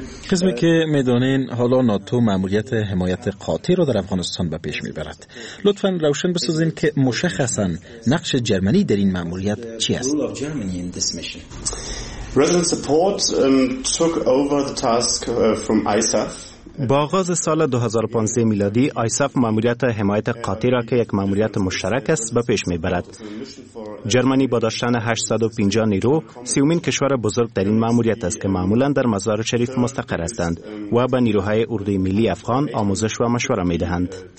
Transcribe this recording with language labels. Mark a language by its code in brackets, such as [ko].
[fa] قسمی که می دانین حالا ناتو ماموریت حمایت قاطع را در افغانستان به پیش می برد. لطفا روشن بسازین که مشخصا نقش جرمنی در این ماموریت چی است؟ [en] Resident support took over the task from ISAF. [fa] با آغاز سال 2015 میلادی ISAF ماموریت حمایت قاطع را که یک ماموریت مشترک است به پیش می‌برد. جرمنی با داشتن 850 نیرو سیومین کشور بزرگ در این ماموریت است که معمولاً در مزار شریف مستقر هستند و به نیروهای اردوی ملی افغان آموزش و مشوره می‌دهند.